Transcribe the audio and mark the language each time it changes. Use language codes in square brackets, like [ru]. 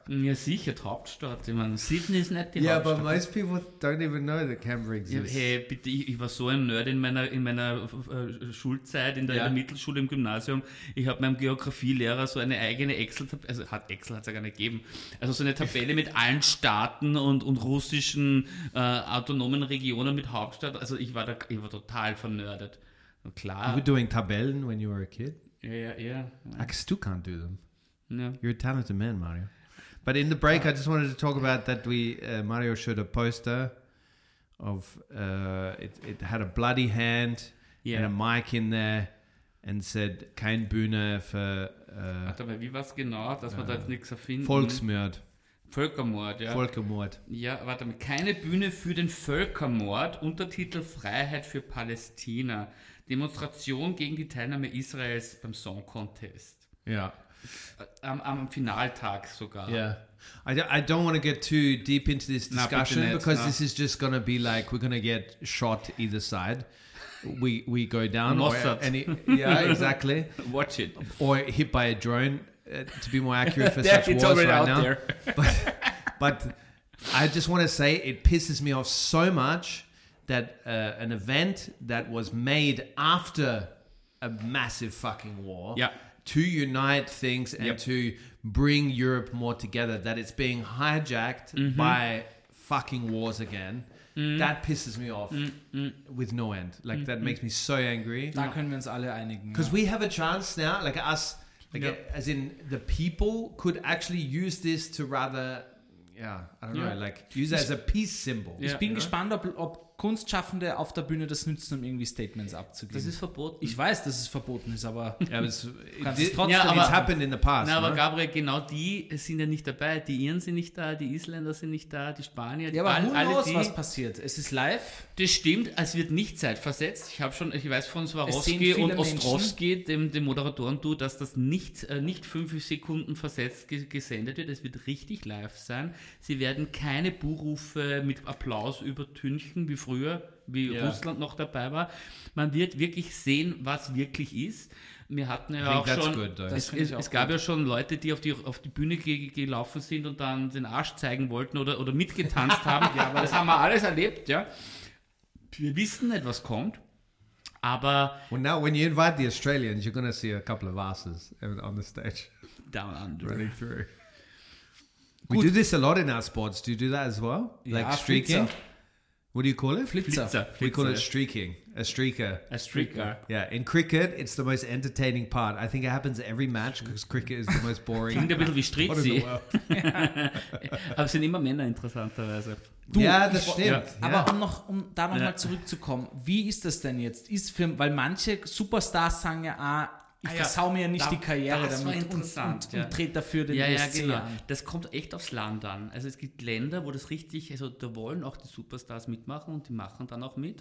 [de] Ja, sicher, die Hauptstadt. Ich meine, Sydney ist nicht die Hauptstadt. [en] Ja, but most people don't even know that Canberra exists. [de] Ja, hey, bitte, ich war so ein Nerd in meiner Schulzeit, in der Mittelschule, im Gymnasium. Ich habe meinem Geografielehrer so eine eigene Excel-Tabelle, also Excel hat es ja gar nicht gegeben, also so eine Tabelle mit allen Staaten und russischen autonomen Regionen mit Hauptstadt. Also ich war total vernerdet. Klar. [en] You were doing Tabellen when you were a kid? Yeah. I still can't do them. No. You're a talented man, Mario. But in the break, I just wanted to talk about that Mario showed a poster of, it had a bloody hand and a mic in there and said, [de] kein Bühne für... Warte mal, wie war es genau, dass man da jetzt nichts erfinden? Volksmord. Völkermord, ja. Völkermord. Ja, warte mal, keine Bühne für den Völkermord, Untertitel Freiheit für Palästina. Demonstration gegen die Teilnahme Israels beim Song Contest. Ja. Am Finaltag sogar. [en] Yeah. I don't want to get too deep into this discussion because this is just going to be like, we're going to get shot either side. We go down. Mossad. Yeah, exactly. Watch it. Or hit by a drone to be more accurate for such wars right out now. There. But I just want to say it pisses me off so much that an event that was made after a massive fucking war to unite things and to bring Europe more together, that it's being hijacked by fucking wars again. That pisses me off with no end. Like, that makes me so angry. [de] Da können wir uns alle einigen. [en] Because we have a chance now, like us, like as in the people could actually use this to rather, I don't know, like use it as a peace symbol. [de] Ich bin gespannt, ob Kunstschaffende auf der Bühne das nützen, um irgendwie Statements abzugeben. Das ist verboten. Ich weiß, dass es verboten ist, aber [en] it's happened in the past. [de] Aber Gabriel, genau die sind ja nicht dabei. Die Iren sind nicht da, die Isländer sind nicht da, die Spanier. Ja, aber [en] who knows, [de] was passiert. Es ist live. Das stimmt, es wird nicht zeitversetzt. Ich weiß von Swarovski und Ostrowski, dem Moderatoren-Duo, dass das nicht 5 Sekunden versetzt gesendet wird. Es wird richtig live sein. Sie werden keine Buhrufe mit Applaus übertünchen, wie früher, wie Russland noch dabei war. Man wird wirklich sehen, was wirklich ist. Wir hatten ja auch schon, gab ja schon Leute, die auf die Bühne gelaufen sind und dann den Arsch zeigen wollten oder mitgetanzt haben. Ja, aber das haben wir alles erlebt, ja. Wir wissen nicht, was kommt, aber... [en] Well, now when you invite the Australians, you're gonna see a couple of asses on the stage. Down under. Running through. Gut. We do this a lot in our sports. Do you do that as well? Like streaking? What do you call it? [de] Flitzer. [en] We call it streaking. A streaker. Yeah. In cricket, it's the most entertaining part. I think it happens every match because cricket is the most boring. [de] Klingt ein bisschen wie Strizi. [en] What in the world? [de] Aber es sind immer Männer, interessanterweise. Aber um da nochmal zurückzukommen, wie ist das denn jetzt? Weil manche Superstars sagen ja versau mir ja nicht die Karriere damit. Das war interessant. Und dreht dafür den ESC an. Das kommt echt aufs Land an. Also es gibt Länder, wo das richtig, also da wollen auch die Superstars mitmachen und die machen dann auch mit.